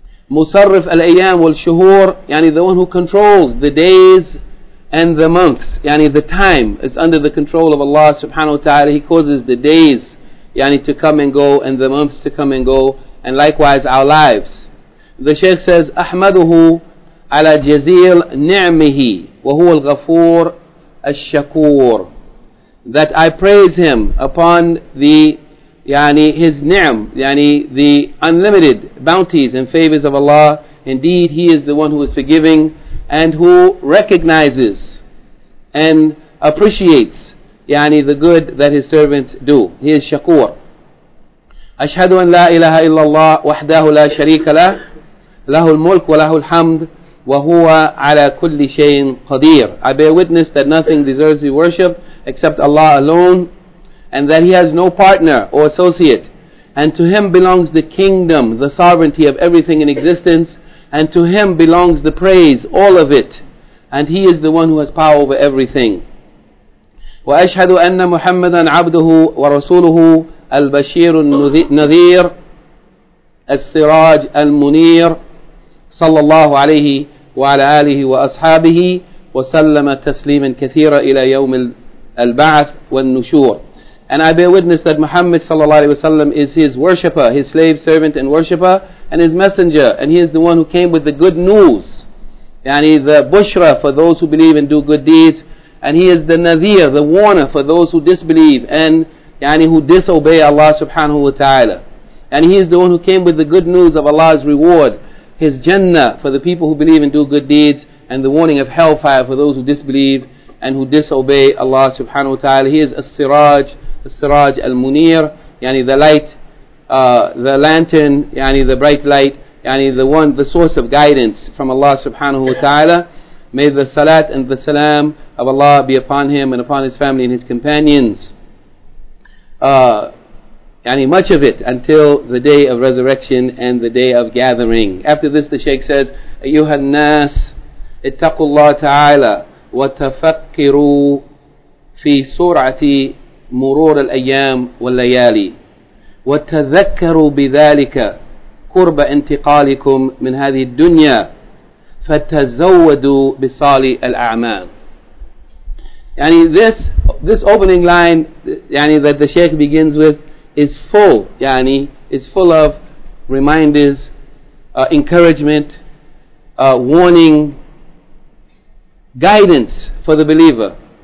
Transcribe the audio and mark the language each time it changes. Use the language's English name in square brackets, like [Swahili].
[English] Musarrif al-Ayyam wa-Shuhur, yani the one who controls the days and the months, yani the time is under the control of Allah subhanahu wa ta'ala. He causes the days, yani to come and go, and the months to come and go, and likewise our lives. The Shaykh says, [Arabic] أحمده على جزيل نعمه وهو الغفور الشكور. [English] That I praise him upon the, yani his ni'm, yani the unlimited bounties and favors of Allah. Indeed, he is the one who is forgiving and who recognizes and appreciates, yani the good that his servants do. He is shakur. [Arabic] أشهد أن لا إله إلا الله وحده لا شريك له له الملك وله الحمد وهو على كل شيء قدير. [English] I bear witness that nothing deserves the worship except Allah alone, and that he has no partner or associate, and to him belongs the kingdom, the sovereignty of everything in existence, and to him belongs the praise, all of it, and he is the one who has power over everything. [Arabic] وأشهد أن محمدا عبده ورسوله البشير النذير السراج المنير صلى الله عليه وعلى آله وأصحابه وسلم تسليما كثيرا إلى يوم البعث والنشور. [English] And I bear witness that Muhammad sallallahu alayhi wa sallam is his worshipper, his slave, servant and worshipper, and his messenger, and he is the one who came with the good news, yani the bushra for those who believe and do good deeds, and he is the nadir, the warner for those who disbelieve and yani who disobey Allah subhanahu wa ta'ala, and he is the one who came with the good news of Allah's reward, his Jannah for the people who believe and do good deeds, and the warning of hellfire for those who disbelieve and who disobey Allah subhanahu wa ta'ala. He is as-siraj, as-siraj al-munir, yani the light, the lantern, yani the bright light, yani the one, the source of guidance from Allah subhanahu wa ta'ala. May the salat and the salam of Allah be upon him and upon his family and his companions. Yani much of it until the day of resurrection and the day of gathering. After this, the Shaykh says, [Arabic] أيها الناس اتقوا الله تعالى وتفكروا في سرعة مرور الأيام والليالي وتذكروا بذلك قرب انتقالكم من هذه الدنيا فتزودوا بصالح الأعمال. [English] Yani this opening line, yani that the Shaykh begins with, is full, yani, is full of reminders, encouragement, warning, guidance for the believer.